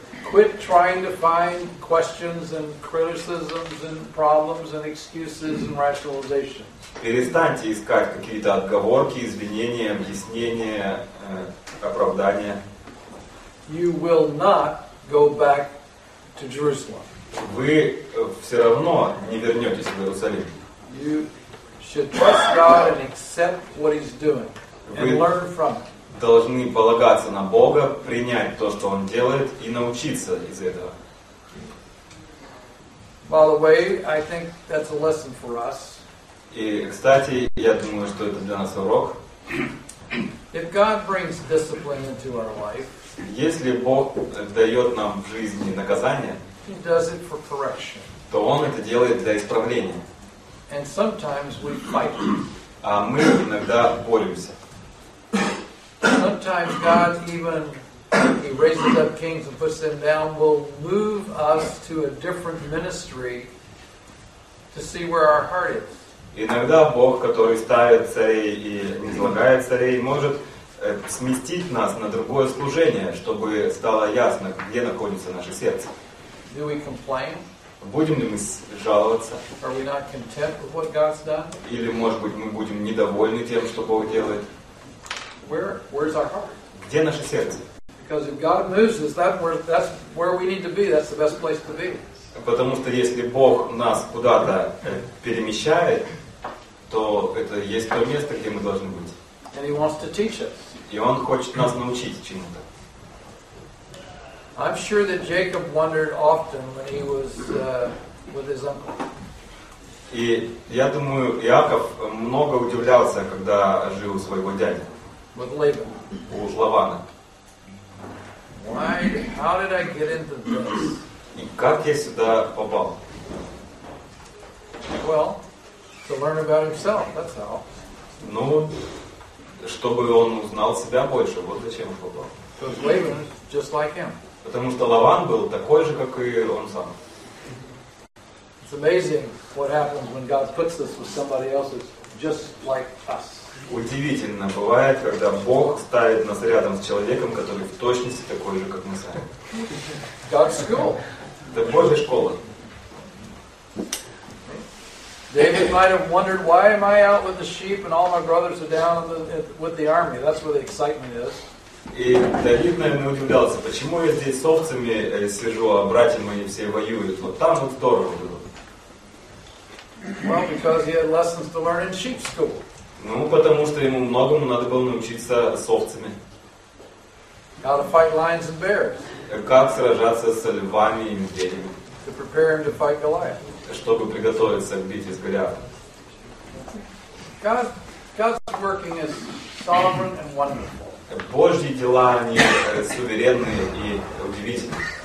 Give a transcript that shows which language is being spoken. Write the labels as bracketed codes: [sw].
[en] Quit trying to find questions and criticisms and problems and excuses and rationalizations. [ru] Перестаньте искать какие-то отговорки, извинения, объяснения, оправдания. [en] You will not go back to Jerusalem. [ru] Вы все равно не вернетесь в Иерусалим. [en] You should trust God and accept what He's doing and learn from it. [ru] Должны полагаться на Бога, принять то, что Он делает, и научиться из этого. [en] By the way, I think that's a lesson for us. [ru] И, кстати, я думаю, что это для нас урок. [en] If God brings discipline into our life, [ru] если Бог дает нам в жизни наказание, [en] He does it for correction. [ru] То Он это делает для исправления. [en] And sometimes we fight. [ru] А мы иногда боремся. [en] Sometimes God even He raises up kings and puts them down will move us to a different ministry to see where our heart is. [ru] Иногда Бог, который ставит царей и низлагает царей, может сместить нас на другое служение, чтобы стало ясно, где находится наше сердце. [en] Do we complain? [ru] Будем ли мы жаловаться? [en] Are we not content with what God's done? [ru] Или, может быть, мы будем недовольны тем, что Бог делает? [en] Where is our heart? [ru] Где наше сердце? [en] Because if God moves us, that's where we need to be. That's the best place to be. [ru] Потому что если Бог нас куда-то перемещает, то это есть то место, где мы должны быть. [en] And He wants to teach us. [ru] И Он хочет нас научить чему-то. [en] I'm sure that Jacob wondered often when he was with his uncle. [ru] И я думаю, Иаков много удивлялся, когда жил у своего дяди. [en] With Laban. [ru] У Лавана. [en] Why? How did I get into this? [ru] И как я сюда попал? [en] Well, to learn about himself. That's how. [ru] Ну, чтобы он узнал себя больше. Вот зачем он попал. [en] Because Laban is just like him. [ru] Потому что Лаван был такой же, как и он сам. [en] It's amazing what happens when God puts us with somebody else who's just like us. [ru] удивительно бывает, когда Бог ставит нас рядом с человеком, который в точности такой же, как мы сами. [en] God's school. [ru] Это Божья школа. [en] David might have wondered, why am I out with the sheep and all my brothers are down with the army? That's where the excitement is. [ru] И Давид, наверное, удивлялся, почему я здесь с овцами сижу, а братья мои все воюют. Вот там вот здорово было. [en] Well, because he had lessons to learn in sheep school. [ru] Ну, потому что ему многому надо было научиться с овцами. [en] How to fight lions and bears. [ru] Как сражаться с львами и медведями. [en] To prepare him to fight Goliath. [ru] Чтобы приготовиться к битве с Голиафом. [en] God's working is sovereign and wonderful. [ru] Божьи дела, они суверенные и удивительные.